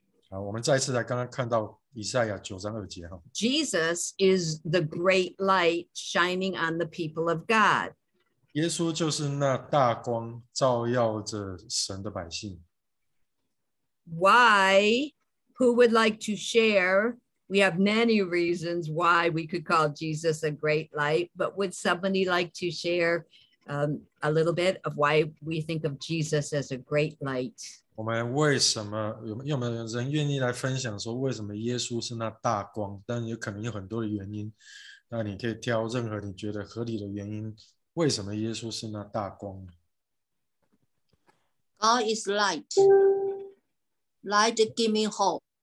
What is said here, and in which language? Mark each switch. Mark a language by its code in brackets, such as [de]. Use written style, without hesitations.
[zh] 我们再次来刚刚看到以赛亚九章二节哈。 [en] Jesus is the great light shining on the people of God. [zh] 耶稣就是那大光照耀着神的百姓。 [en] Why? Who would like to share? We have many reasons why we could call Jesus a great light, but would somebody like to share a little bit of why we think of Jesus as a great light? [zh] 我们为什么有没有人愿意来分享说为什么耶稣是那大光？但有可能有很多的原因，那你可以挑任何你觉得合理的原因，为什么耶稣是那大光？ [en] God is light give me hope.